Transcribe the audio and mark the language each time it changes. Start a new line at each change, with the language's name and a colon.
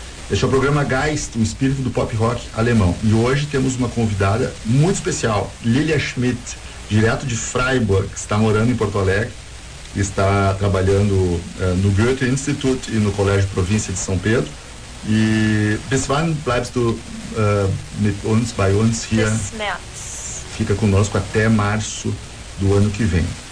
Portuguese: Este é o programa Geist, o espírito do pop rock alemão. E hoje temos uma convidada muito especial, Lilia Schmidt, direto de Freiburg, que está morando em Porto Alegre, está trabalhando no Goethe Institut e no Colégio Província de São Pedro.
German: E bis wann bleibst du mit uns, bei uns hier? Bis März.
Portuguese: Fica conosco até março do ano que vem.